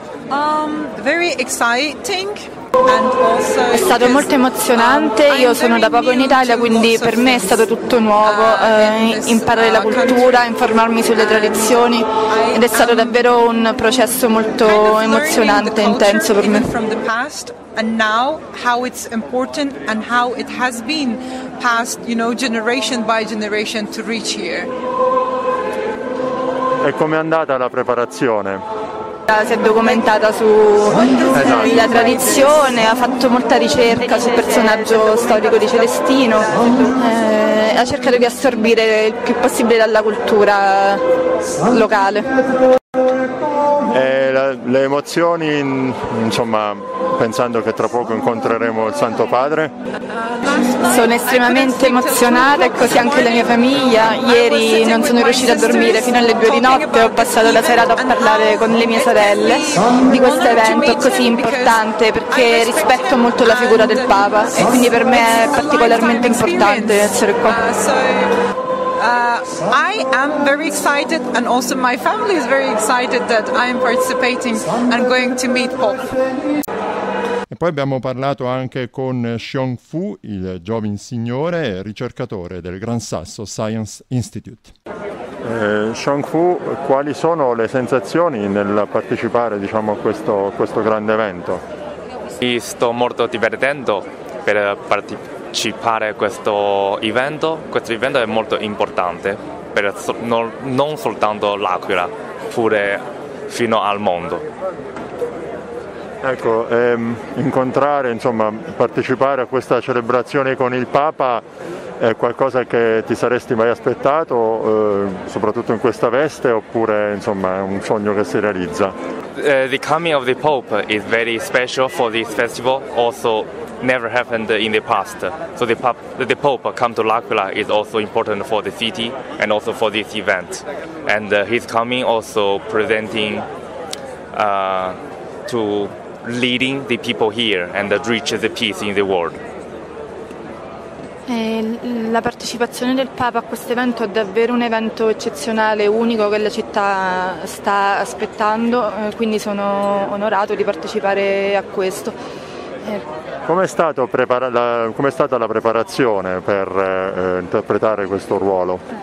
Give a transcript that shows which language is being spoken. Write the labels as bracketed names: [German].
[English] Very exciting. And also [Italian] è stato molto emozionante. Io sono da poco in Italia, quindi per me è stato tutto nuovo, imparare la cultura, informarmi sulle tradizioni, ed è stato davvero un processo molto emozionante e intenso per me. [English] And now how it's important and how it has been passed, you know, generation by generation to reach here. [Italian] E com'è andata la preparazione? si è documentata su la tradizione, ha fatto molta ricerca sul personaggio storico di Celestino, ha cercato di assorbire il più possibile dalla cultura locale. Le emozioni, insomma, pensando che tra poco incontreremo il Santo Padre? Sono estremamente emozionata e così anche la mia famiglia. Ieri non sono riuscita a dormire fino alle 2 di notte, ho passato la serata a parlare con le mie sorelle di questo evento così importante, perché rispetto molto la figura del Papa e quindi per me è particolarmente importante essere qua. [English] I am very excited and also my family is very excited that I am participating and going to meet Pope. [Italian] E poi abbiamo parlato anche con Xiong Fu, il giovane signore ricercatore del Gran Sasso Science Institute. Xiong Fu, quali sono le sensazioni nel partecipare, diciamo, a questo grande evento? Io sto molto divertendo per partecipare a questo evento. Questo evento è molto importante per non soltanto l'Aquila, pure fino al mondo. Ecco, incontrare, insomma, partecipare a questa celebrazione con il Papa è qualcosa che ti saresti mai aspettato, soprattutto in questa veste, oppure, insomma, è un sogno che si realizza? [English] The coming of the Pope is very special for this festival, also never happened in the past. So the Pope come to L'Aquila is also important for the city and also for this event. And he's coming also presenting to leading the people here and reach the peace in the world. [Italian] La partecipazione del Papa a questo evento è davvero un evento eccezionale, unico, che la città sta aspettando, quindi sono onorato di partecipare a questo. Com'è stata la preparazione per interpretare questo ruolo?